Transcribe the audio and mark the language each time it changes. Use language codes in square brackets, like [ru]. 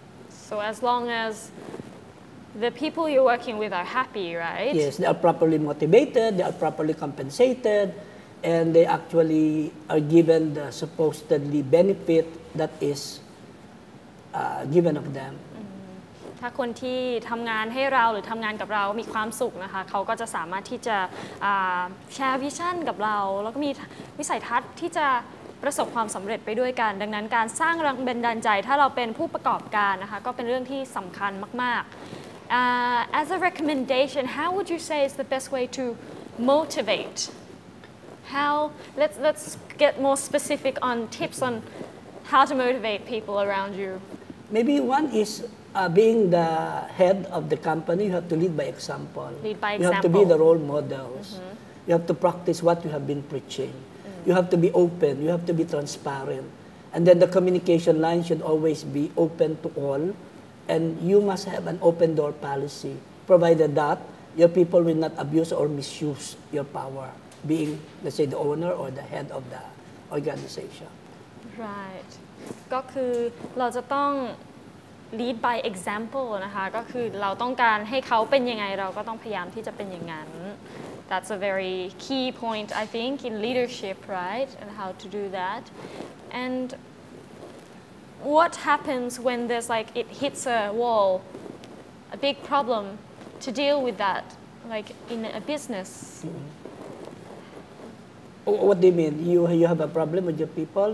[en] So as long as the people you're working with are happy, right? Yes, they are properly motivated, they are properly compensated, and they actually are given the supposedly benefit that is given of them. [th] ถ้าคนที่ทำงานให้เราหรือทำงานกับเรามีความสุขนะคะเขาก็จะสามารถที่จะแชร์วิชั่นกับเราแล้วก็มีวิสัยทัศน์ที่จะ ประสบความสำเร็จไปด้วยกันดังนั้นการสร้างแรงบันดาลใจถ้าเราเป็นผู้ประกอบการนะคะก็เป็นเรื่องที่สำคัญมากๆ as a recommendation, how would you say is the best way to motivate? [en] How let's get more specific on tips on how to motivate people around you. Maybe one is being the head of the company, you have to lead by example. Lead by example. You have to be the role models. Mm-hmm. You have to practice what you have been preaching. You have to be open. You have to be transparent. And then the communication line should always be open to all. And you must have an open door policy, provided that your people will not abuse or misuse your power, being, let's say, the owner or the head of the organization. Right. [th] ก็คือเราจะต้อง lead by example นะคะก็คือเราต้องการให้เขาเป็นยังไงเราก็ต้องพยายามที่จะเป็นอย่างนั้น That's a very key point, I think, in leadership, right? [en] And how to do that. And what happens when there's like, it hits a wall, a big problem to deal with that, like in a business? Mm-hmm. What do you mean? You have a problem with your people?